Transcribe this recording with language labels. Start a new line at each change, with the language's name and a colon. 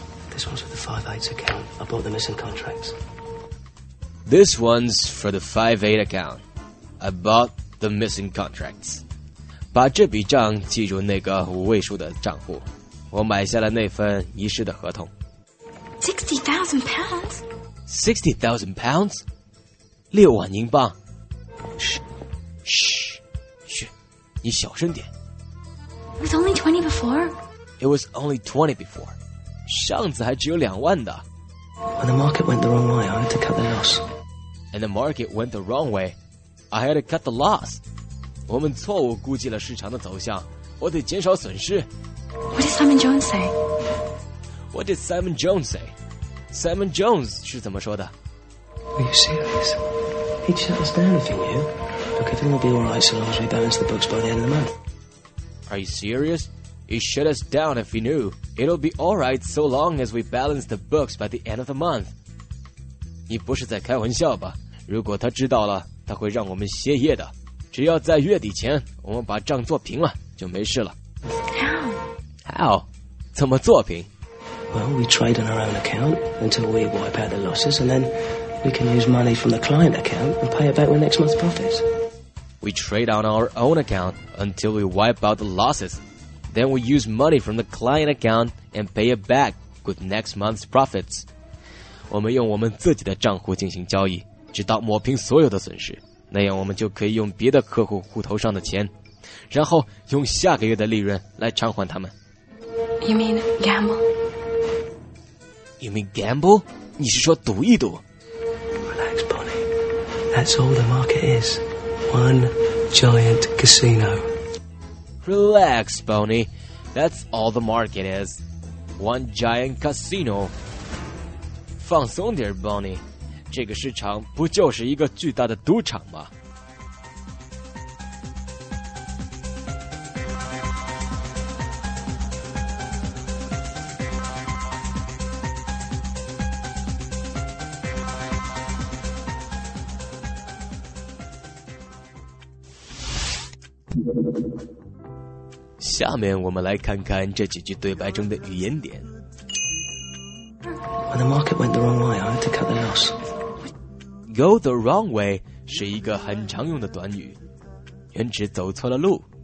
English: This one's for the 5/8 account. I bought the missing contracts. This one's for the 5/8 account. I bought the missing contracts.
Chinese: 把这笔账记入那个五位数的账户。我买下了那份遗失的合同。
English: 60,000 pounds? £60,000?
Chinese: 6万英镑。嘘。嘘。你小声点。
English: It was only 20 before. It was only 20 before.
Chinese: 上次还只有2万的。
English: When the market went the wrong way, I had to cut the loss. And the market went the wrong way, I had to cut the loss.
Chinese: 我们错误估计了市场的走向，我得减少损失。
English: What did Simon Jones say? What did Simon Jones say?
Chinese: Simon Jones 是怎么说的？
English: Are you serious? He'd shut us down if he knew. Look, everything will be all right so long as we balance the books by the end of the month. Are you serious? He'd shut us down if he knew. It'll be all right so long as we balance the books by the end of the month.
Chinese: 你不是在开玩笑吧？如果他知道了，他会让我们歇业的。只要在月底前，我们把账做平了，就没事了。
English: How?
Chinese: 怎么作品？
English: Well, we trade on our own account until we wipe out the losses, and then we can use money from the client account and pay it back with next month's profits. We trade on our own account until we wipe out the losses, then we use money from the client account and pay it back with next month's profits.
Chinese: 我们用我们自己的账户进行交易，直到抹平所有的损失，那样我们就可以用别的客户户头上的钱，然后用下个月的利润来偿还他们。
English: You mean gamble? You mean gamble?
Chinese: 你是说赌一赌？
English: Relax, Bonnie. That's all the market is. One giant casino. Relax, Bonnie. That's all the market is. One giant casino.
Chinese: 放松点 Bonnie. 这个市场不就是一个巨大的赌场吗？下面我们来看看这几句对白中的语言点。
English: When the market went the wrong way, I had to cut the loss. Go the wrong way
Chinese: 是一个很常用的短语，原指走错了路。